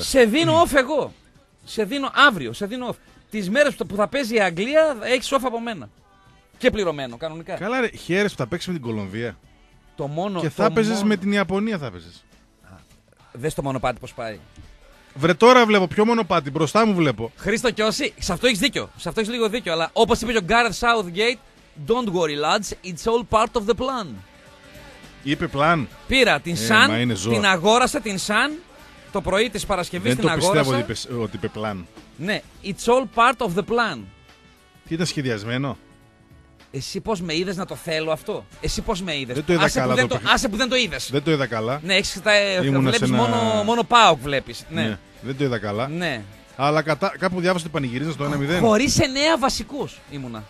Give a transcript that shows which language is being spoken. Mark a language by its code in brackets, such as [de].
[el] Σε δίνω off εγώ. Σε δίνω αύριο, σε δίνω off. Τις μέρες που θα παίζει η Αγγλία έχεις off από μένα. Και πληρωμένο κανονικά. Καλά ρε, χαίρεσαι που θα παίξεις με την Κολομβία. Το μόνο. Και θα παίζεις με την Ιαπωνία θα παίζεις. Δες το μονοπάτι πως πάει. Βρε τώρα βλέπω ποιο μονοπάτι, μπροστά μου βλέπω. Χρήστο και όσοι, σε αυτό έχεις δίκιο, σε αυτό έχεις λίγο δίκιο. Αλλά όπως είπε και ο Gareth Southgate, [en] don't worry lads, it's all part of the plan. [el] Είπε πλάν. Πήρα την Sun, την αγόρασα την Sun το πρωί της Παρασκευής. Δεν την αγόρασα. Δεν το πιστεύω ότι είπε πλάν. Ναι, [en] it's all part of the plan. [el] Τι ήταν σχεδιασμένο. Εσύ πώς με είδες να το θέλω αυτό. Εσύ πώς με είδες. Δεν το είδα άσε καλά. Που το... Άσε που δεν το είδες. Δεν το είδα καλά. Ναι, έχεις τα... βλέπεις ένα... μόνο ΠΑΟΚ βλέπεις. Ναι. Ναι, δεν το είδα καλά. Ναι. Αλλά κατά, κάπου διάβασα ότι πανηγυρίζεις το 1-0. Χωρίς 9 βασικούς ήμουνα.